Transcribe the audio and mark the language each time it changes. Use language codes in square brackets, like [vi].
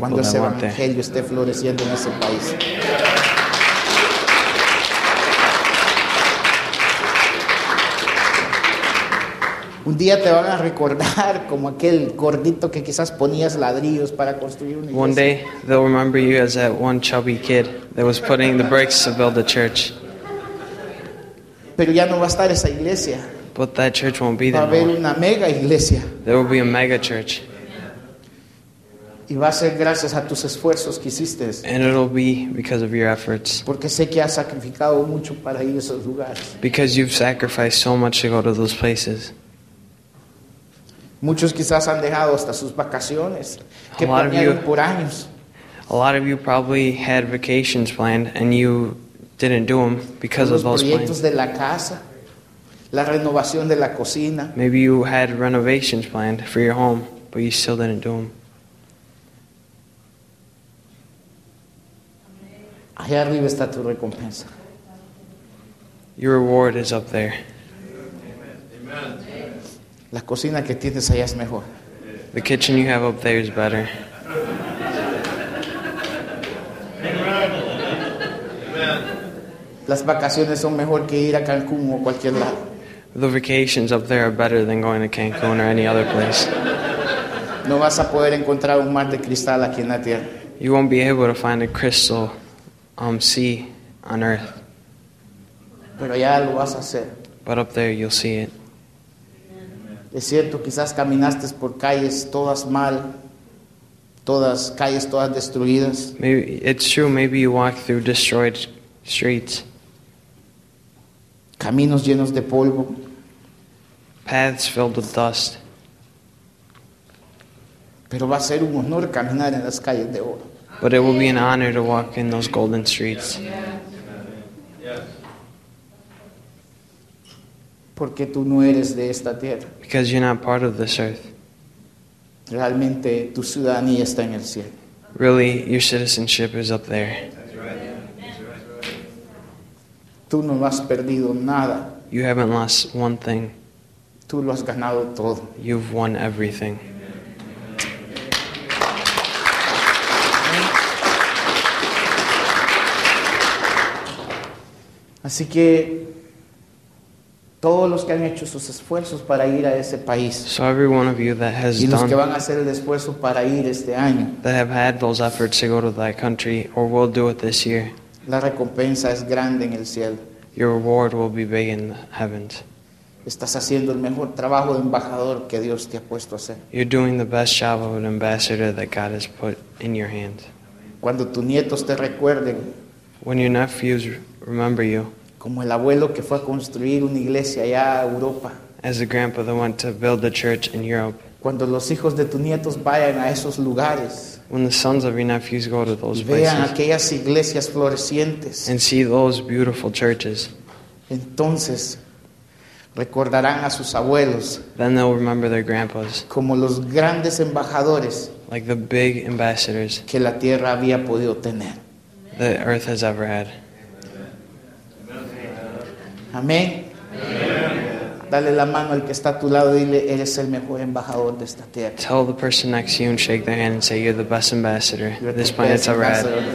[es] cuando [en] that went there. [es] Cuando esté floreciendo en ese país. Un día te van a recordar como aquel gordito que quizás ponías ladrillos para construir una iglesia. [en] One day they'll remember you as that one chubby kid that was putting the bricks to build the church. [es] Pero ya no va a estar esa iglesia. [en] But that church won't be there. [es] Va a haber una mega iglesia. [en] There will be a mega church. [es] Y va a ser gracias a tus esfuerzos que hiciste. [en] And it'll be because of your efforts. [es] Porque sé que has sacrificado mucho para ir a esos lugares. [en] Because you've sacrificed so much to go to those places. [es] Muchos quizás han dejado hasta sus vacaciones que planearon por años. [en] A lot of you probably had vacations planned and you didn't do them because of those [es] proyectos [en] plans. [es] De la casa, la renovación de la cocina. [en] Maybe you had renovations planned for your home, but you still didn't do them. [es] Ahí arriba está tu recompensa. [en] Your reward is up there. Amen. Amen. [es] La cocina que tienes allá es mejor. [en] The kitchen you have up there is better. [es] Las vacaciones son mejor que ir a Cancún o cualquier lado. [en] The vacations up there are better than going to Cancun or any other place. [es] No vas a poder encontrar un mar de cristal aquí en la tierra. [en] You won't be able to find a crystal sea on earth. [es] Pero ya lo vas a hacer. [en] But up there you'll see it. [es] Es cierto, quizás caminaste por calles todas mal, todas calles todas destruidas. [en] Maybe, it's true, maybe you walk through destroyed streets. [es] Caminos llenos de polvo. [en] Paths filled with dust. [es] Pero va a ser un honor caminar en las calles de oro. [en] But it will be an honor to walk in those golden streets. [es] Porque tú no eres de esta tierra. [en] Because you're not part of this earth. [es] Realmente tu ciudadanía está en el cielo. [en] Really, your citizenship is up there. [es] Tú no has perdido nada. [en] You haven't lost one thing. [es] Tú lo has ganado todo. [en] You've won everything. [es] Así que todos los que han hecho sus esfuerzos para ir a ese país. [en] So every one of you that has [es] y los que van a hacer el esfuerzo para ir este año. [en] That have had those efforts to go to that country or will do it this year. [es] La recompensa es grande en el cielo. [en] Your reward will be big in the heavens. [es] Estás haciendo el mejor trabajo de embajador que Dios te ha puesto a hacer. [en] You're doing the best job of an ambassador that God has put in your hands. [es] Cuando tus nietos te recuerden. [en] When your nephews remember you. [es] Como el abuelo que fue a construir una iglesia allá a Europa. [en] As the grandpa that went to build the church in Europe. [es] Cuando los hijos de tus nietos vayan a esos lugares. [en] When the sons of your nephews go to those [es] vean [en] places. [es] Aquellas iglesias florecientes. [en] And see those beautiful churches. [es] Entonces, recordarán a sus abuelos. [en] Then they'll remember their grandpas. [es] Como los grandes embajadores. [en] Like the big ambassadors. [es] Que la tierra había podido tener. [en] That earth has ever had. [es] Amén. Dale la mano al que está a tu lado y dile, eres el mejor embajador de esta tierra. [en] Tell the person next to you and shake their hand and say, you're the best ambassador this planet's ever had.